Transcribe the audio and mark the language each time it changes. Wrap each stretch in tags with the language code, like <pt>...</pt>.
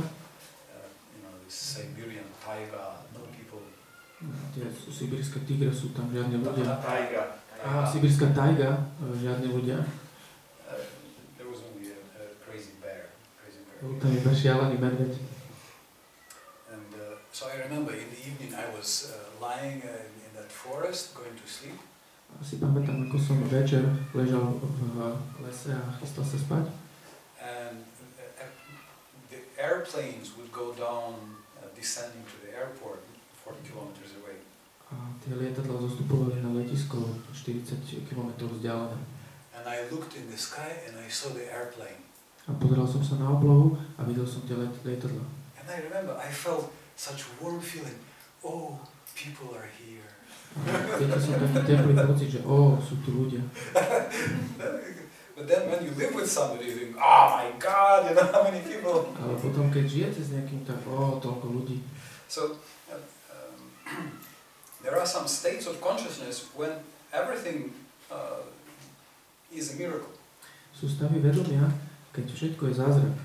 <en>You know, the Siberian taiga, no people.</en> <sk>Tie sibirské tigre sú tam, žiadne ľudia.</sk> <en>Taiga.</en> <sk>A sibirská taiga, žiadne ľudia.</sk> <en>There was only a crazy bear.</en> <sk>Bol tam iba šialený medveď.</sk> <en>And so I remember in the evening I was lying in that forest going to sleep.</en> <sk>Asi pamätám, ako som večer ležal v lese a chystal sa spať.</sk> <en>And the airplanes would go down descending to the airport 40 kilometers away.</en> <sk>A tie lietadlá zostupovali na letisko 40 kilometrov vzdialené.</sk> <en>And I looked in the sky and I saw the airplane.</en> <sk>A pozeral som sa na oblohu a videl som tie lietadlá.</sk> <en>And I remember I felt such a warm feeling. Oh, people are here.</en> <sk>Cítil som taký teplý pocit, že sú tu ľudia.</sk> <en>But then when you live with somebody, you think, oh my God, you know how many people.</en> <sk>Ale potom keď žijete s niekým, tak toľko ľudí.</sk> <en>So there are some states of consciousness when everything is a miracle.</en> <sk>Sú stavy vedomia, keď všetko je zázrak.</sk>